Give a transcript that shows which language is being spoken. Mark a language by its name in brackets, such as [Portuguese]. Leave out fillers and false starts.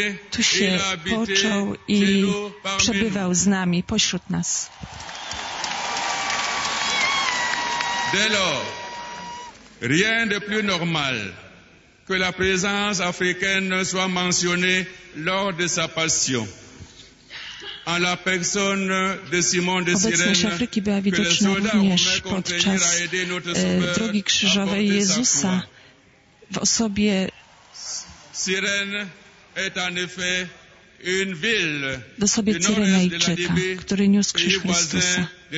[Polish] Tu się począł i przebywał z nami, pośród nas. [French] Dès lors, rien de plus normal que la présence africaine soit mentionnée lors de sa passion. À la personne de Simon de Cyrène, [Polish] obecność Afryki była widoczna również podczas drogi krzyżowej Jezusa w osobie [French] Cyrène est en effet une ville [Polish] do sobie Cyrenejczyka, który niósł krzyż Chrystusa.